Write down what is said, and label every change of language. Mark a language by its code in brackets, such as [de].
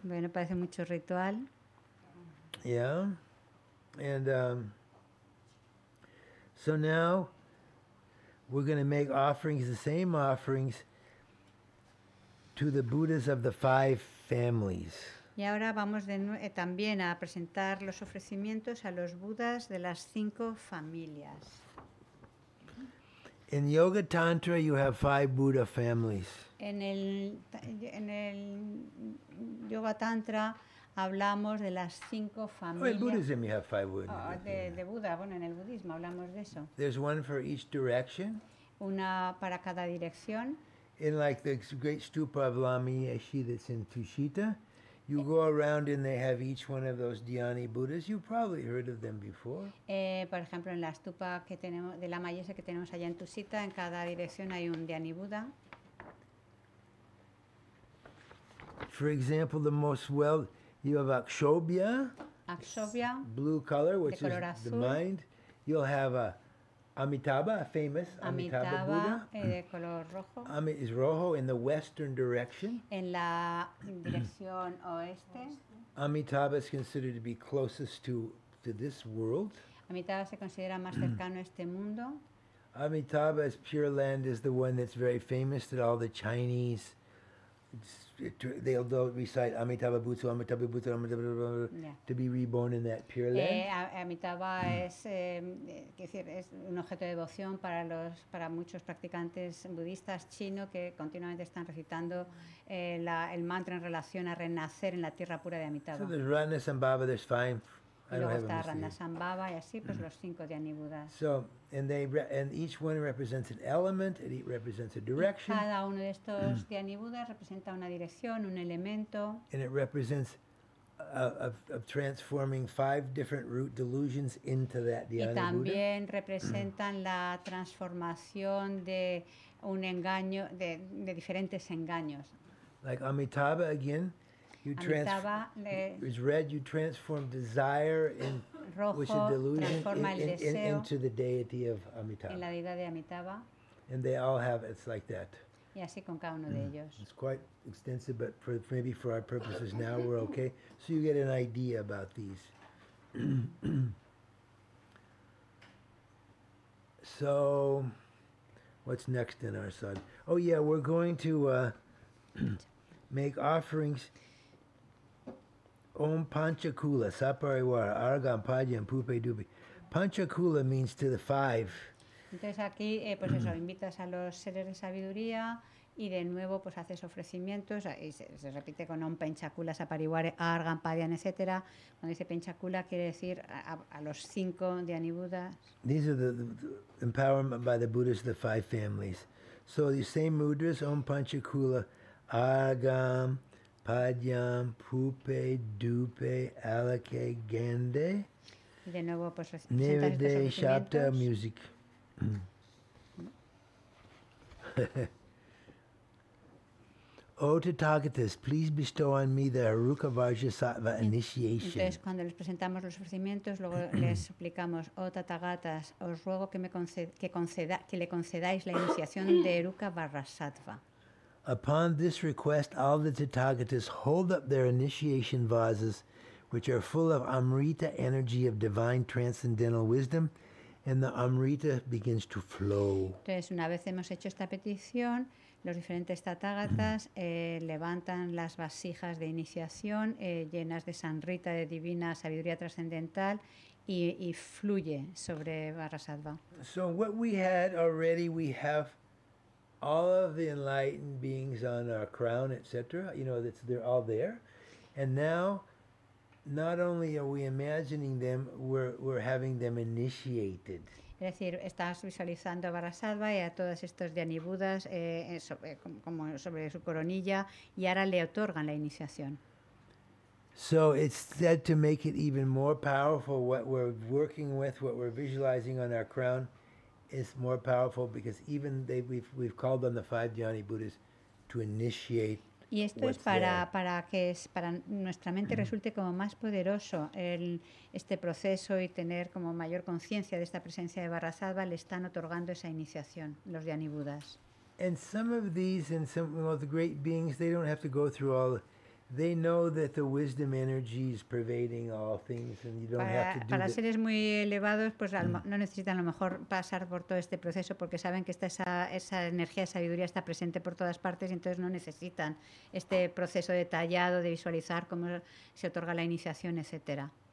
[es] Bueno, parece mucho ritual. [en] Yeah. And so now we're going to make offerings, the same offerings, to the Buddhas of the five families. [es] Y ahora vamos también a presentar los ofrecimientos a los Budas de las cinco familias. [en] In Yoga Tantra, you have five Buddha families. [es] En el Yoga Tantra hablamos de las cinco familias. [en] Well, in Buddhism, you have five Buddha. [es] De Buda, bueno, en el budismo hablamos de eso. [en] There's one for each direction. [es] Una para cada dirección. [en] In like the great stupa of Lama Yeshe that's in Tushita, you go around and they have each one of those Dhyani Buddhas. You've probably heard of them before. [es] Por ejemplo, en la estupa que tenemos de Lama Yeshe que tenemos allá en Tushita, en cada dirección hay un Dhyani Buddha. [en] For example, the most well, you have Akshobhya, blue color, which color is [es] azul. [en] The mind. You'll have Amitabha, a famous Amitabha Buddha. [es] De color rojo. [en] Is rojo in the western direction. [es] En la dirección oeste. [en] Amitabha is considered to be closest to this world. [es] Amitabha se considera más cercano a este mundo. [en] Amitabha's pure land is the one that's very famous that all the Chinese. They'll recite Amitabha Butsu, Amitabha Butsu, Amitabha Butsu, Amitabha Butsu, yeah. To be reborn in that pure land. [es] Amitabha es un objeto de devoción para muchos practicantes budistas chinos que continuamente están recitando el mantra en relación a renacer en la tierra pura de Amitabha. [en] So there's Ratnasambhava, there's five. [es] Luego está Ratnasambhava y así pues los cinco Dhyani Buddhas. [en] So, and each one represents an element, and it represents a direction. [es] Y cada uno de estos Dhyani Buddhas representa una dirección, un elemento. [en] And it represents of transforming five different root delusions into that Dhyani Buddha. [es] Y también representan la transformación de un engaño, de diferentes engaños. [en] Like Amitabha again. Amitabha is red. You transform desire and which is delusion into the deity of Amitabha. [es] En la deidad de Amitabha. [en] And they all have it's like that. [es] Y así con cada uno de ellos. [en] It's quite extensive, but for our purposes now we're okay. So you get an idea about these. So, what's next in our sadhana? Oh yeah, we're going to make offerings. [sa] Om Panchakula, Sapariwara, Argam, Padyam, Pupe, Dubi. [en] Panchakula means to the five. [es] Entonces aquí, pues eso, invitas a los seres de sabiduría y de nuevo pues haces ofrecimientos y se repite con [sa] Om Panchakula, Sapariwara, Argam, Padyam, [es] etc. Cuando dice Panchakula quiere decir a los cinco Dhyani Buddhas. [en] These are the empowerment by the Buddhas, the five families. So the same mudras, [sa] Om Panchakula, Argam, Padyam, Pupe, Dupe, Alake, Gende. [es] Y de nuevo, pues, Nivede, [en] Shapta, Music. O Tathagatas, please bestow on me the Haruka Vajrasattva initiation. [es] Entonces, cuando les presentamos los ofrecimientos, luego les suplicamos, O Tathagatas, os ruego que le concedáis la iniciación de Haruka Vajrasattva. [en] Upon this request, all the Tathagatas hold up their initiation vases, which are full of Amrita energy of divine transcendental wisdom, and the Amrita begins to flow. [es] Entonces, una vez hemos hecho esta petición, los diferentes Tathagatas levantan las vasijas de iniciación llenas de Sanrita, de divina sabiduría trascendental, y fluye sobre Barrasattva. [en] So what we had already, we have all of the enlightened beings on our crown, etc. You know, that's, they're all there. And now, not only are we imagining them, we're having them initiated. [es] Es decir, estás visualizando a Barrasattva y a todos estos Dhyanibuddhas como sobre su coronilla y ahora le otorgan la iniciación. [en] So it's said to make it even more powerful, what we're working with, what we're visualizing on our crown is more powerful because even we've called on the five Dhyanibuddhas to initiate. [es] Y esto [en] what's [es] es para [en] there. [es] Para que es para nuestra mente resulte como más poderoso el este proceso y tener como mayor conciencia de esta presencia de Barrasattva, le están otorgando esa iniciación los Dhyanibuddhas. [en] And some of these and some of the great beings, they don't have to go through all the, they know that the wisdom energy is pervading all things and you don't [es] para, [en] have to do [es] para that. Seres muy elevados pues no necesitan a lo mejor pasar por todo este proceso porque saben que está esa energía de sabiduría está presente por todas partes y entonces no necesitan este proceso detallado de visualizar cómo se otorga la iniciación, etcétera.